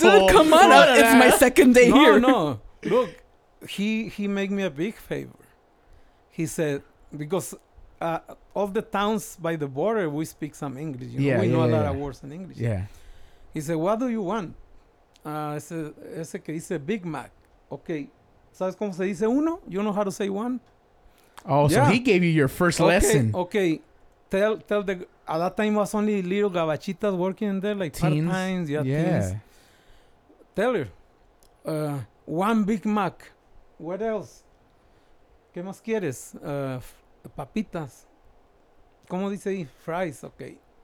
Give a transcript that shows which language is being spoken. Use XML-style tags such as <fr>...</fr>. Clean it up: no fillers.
<en>Come on, it's my second day here. No, look, he made me a big favor. He said, because all the towns by the border, we speak some English. You know? We know a lot of words in English. Yeah. He said, what do you want? I said,</en> <es>ese que dice</es> <en>Big Mac.</en> <es>Okay, ¿sabes cómo se dice uno?</es> <en>You know how to say one? Oh, yeah. So he gave you your first lesson. Okay. Tell the, at that time was only little gabachitas working in there, like teens. Part-times. Teens. Tell her, one Big Mac. What else?</en> <es>¿Qué más quieres?</es> <en>Papitas.</en> <es>¿Cómo dice ahí?</es> <en>Fries, okay.</en>